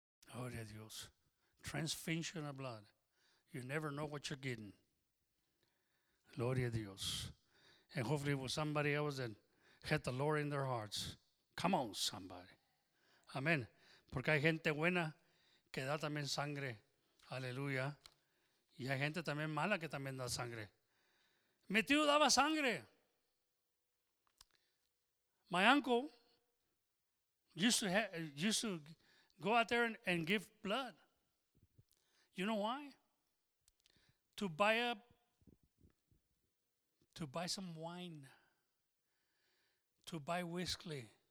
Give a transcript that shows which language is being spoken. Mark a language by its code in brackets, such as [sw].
[es] Gloria a Dios. [en] Transfusion of blood. You never know what you're getting. Gloria a Dios. And hopefully it was somebody else that had the Lord in their hearts. Come on, somebody. Amen. [es] Porque hay gente buena que da también sangre. Aleluya. Y hay gente también mala que también da sangre. Mi tío daba sangre. [en] My uncle used to go out there and give blood. You know why? To buy some wine. To buy whiskey.